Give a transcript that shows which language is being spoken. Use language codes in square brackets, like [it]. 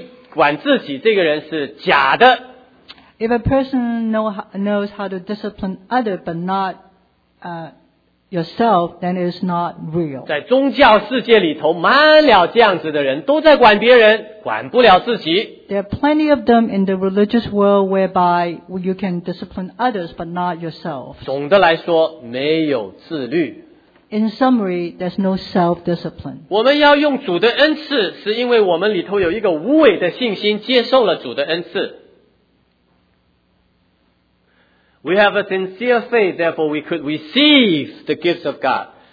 [zh] 一个人能管别人不能管自己，这管自己这个人是假的 [en] if a person knows how to discipline other but not yourself, then it is not real. [zh] 在宗教世界里头，满了这样子的人，都在管别人，管不了自己。 [en] There are plenty of them in the religious world whereby you can discipline others, but not yourself. [zh] 总的来说，没有自律。 [en] In summary, there's no self-discipline. [zh] 我们要用主的恩赐，是因为我们里头有一个无伪的信心，接受了主的恩赐。 [en] We have a sincere faith, therefore we could receive the gifts of God.